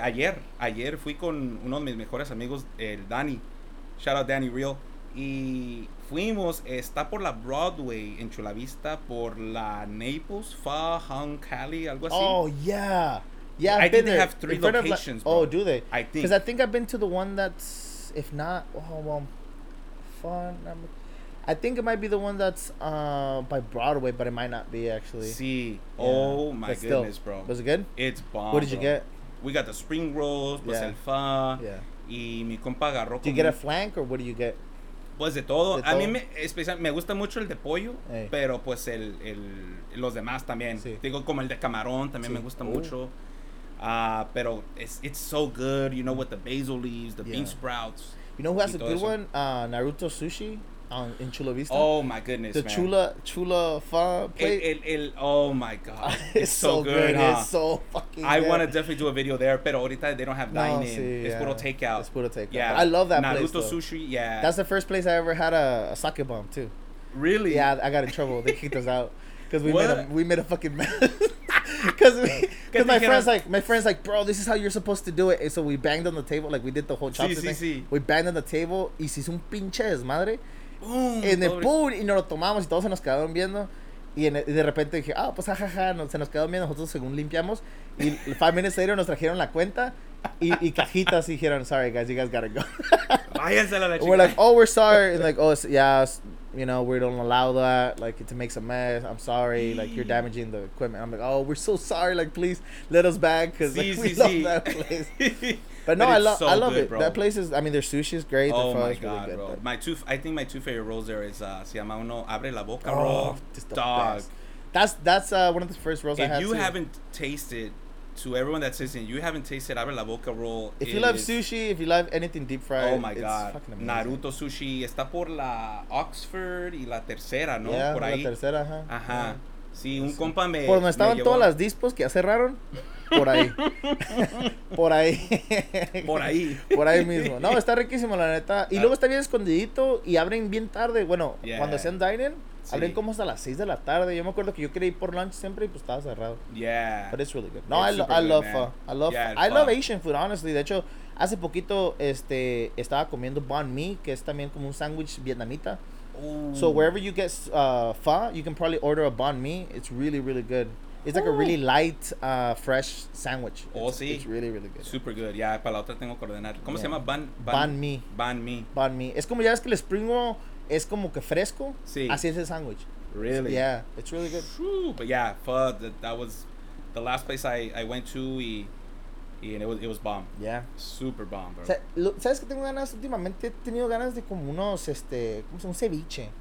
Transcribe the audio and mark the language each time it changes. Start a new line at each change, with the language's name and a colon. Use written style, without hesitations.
Spanish: Ayer fui con uno de mis mejores amigos, el Danny.
English: Shout out Danny Real.
Spanish: Y fuimos, está por la Broadway en Chula Vista, por la Naples, Fa Hong Cali, algo así.
English: Oh, yeah. Yeah, I think they have three locations. Like, do they? I think. Because I think I've been to the one that's, if not, oh, well, fun. I think it might be the one that's by Broadway, but it might not be, actually. Sí. Yeah. Oh, my but goodness, still. Bro. Was it good? It's bomb. What did you get? We got the spring rolls,
Spanish: pues el fa.
English: Yeah.
Spanish: Y mi compa agarró.
English: Did you get a flank, or what do you get?
Spanish: Pues de todo. A mí me gusta mucho el de pollo, pero pues el los demás también. Sí. Digo, como el de camarón también me gusta mucho. Pero
English: it's so good, you know, with the basil leaves, the bean sprouts. You know who has a good one? Naruto Sushi in Chula Vista. Oh my goodness, the man. Chula Pho plate. El oh my god, it's so good. Huh? It's so fucking good. I want to definitely do a video there,
Spanish: pero ahorita
English: they don't have dining. Sí, it's puro takeout. It's puro takeout. Yeah. I love that Naruto place, Sushi. Yeah, that's the first place I ever had a sake bomb too. Really? Yeah, I got in trouble. They kicked us out because we made a fucking mess. Because my friend's like, bro, this is how you're supposed to do it. And so we banged on the table, like we did the whole chopstick thing. We banged on the table,
Spanish: y se hizo un pinche desmadre.
English: Boom,
Spanish: en pobre. El boom, y nos lo tomamos, y todos se nos quedaron viendo. Y de repente dije, ah, pues jajaja, se nos quedaron viendo nosotros según limpiamos. Y
English: 5 minutes later
Spanish: nos trajeron la cuenta, y cajitas, y dijeron,
English: sorry guys, you guys gotta go.
Spanish: Váyanse a la chica.
English: We're like, oh, we're sorry. And like, oh, yeah. You know, we don't allow that. Like, it makes a mess. I'm sorry. Like, you're damaging the equipment. I'm like, oh, we're so sorry. Like, please let us back because we love that place. But no, I love it. Bro. That place is, I mean, their sushi is great. Oh, their my God, really good, bro. But. I think my two favorite rolls there is,
Spanish: se llama uno
English: Abre la Boca Roll. Dog. Best. That's one of the first rolls I had. If you haven't tasted, to everyone that's listening, you haven't tasted Abre la Boca Roll. If you love sushi, if you love anything deep fried, oh my god,
Spanish: Naruto Sushi está por la Oxford y la Tercera, ¿no?
English: Yeah,
Spanish: por ahí. La Tercera, ajá. Ajá. Sí, un compa me. Por donde estaban todas las dispos que ya cerraron, por ahí. Por ahí. Por ahí. Por ahí mismo. No, está riquísimo, la neta. Y luego está bien escondidito y abren bien tarde. Bueno, cuando sean dining. Sí. Abren como hasta las 6 de la tarde. Yo me acuerdo que yo quería ir por lunch siempre y pues estaba cerrado.
English: Yeah. But it's really good. No, I love Asian food, honestly.
Spanish: De hecho, hace poquito estaba comiendo banh mi, que es también como un sándwich vietnamita. Ooh.
English: So wherever you get pho, you can probably order a banh mi. It's really, really good. It's like a really light, fresh sandwich. It's really, really good. Super good. Yeah,
Spanish: para la otra tengo que ordenar. ¿Cómo se llama? Banh mi. Es como ya ves que el spring roll... Es como que fresco. Sí. Así es el sandwich.
English: Really? Yeah. It's really good. But yeah, pho, that was the last place I went to and it was bomb. Yeah. Super bomb, bro.
Spanish: ¿Sabes que tengo ganas? Últimamente he tenido ganas de como unos, ¿cómo se llama? Un ceviche.